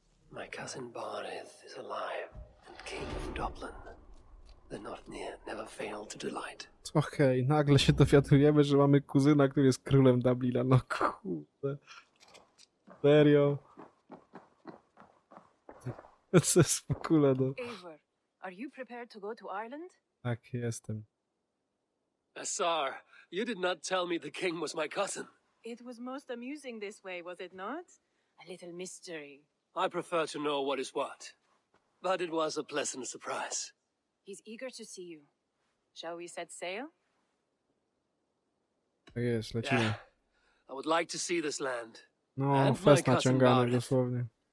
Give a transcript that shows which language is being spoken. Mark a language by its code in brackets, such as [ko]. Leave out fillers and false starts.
[en] My cousin Barit is alive and king of Dublin. The North near never failed to delight. [pl] Okej, nagle się dowiadujemy, że mamy kuzyna, który jest królem Dublina. No kurde. Serio. Co jest w ogóle, no. [en] Eivor, are you prepared to go to Ireland? [pl] Tak, jestem. [en] Asar, you did not tell me the king was my cousin. It was most amusing this way, was it not? A little mystery. I prefer to know what is what. But it was a pleasant surprise. He's eager to see you. Shall we set sail? [pl] Tak jest, lecimy. [en] Yeah. I would like to see this land. [pl] No, fest naciągany dosłownie.